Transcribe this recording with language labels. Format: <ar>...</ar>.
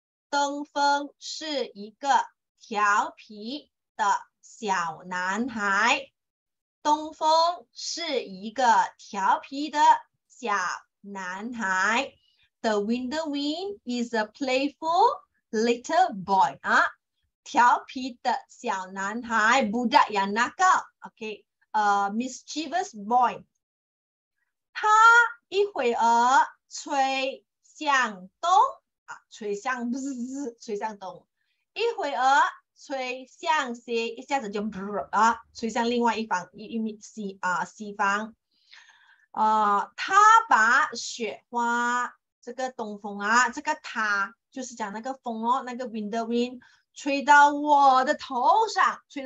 <zh>东风是一个调皮的小男孩。东风是一个调皮的小男孩。</zh> <en>The winter wind is a playful little boy.</en> <zh>啊，调皮的小男孩 ，</zh> <ms>budak yang nakal.</ms> <en>OK， mischievous boy.</en> <zh>他一会儿吹向东、啊、吹向东，一会儿吹向西，一下子就、啊、吹向另外一方 西方、他把雪花，这个东风啊，这个他就是讲那个风哦，那个 winter wind 吹到我的头上</zh>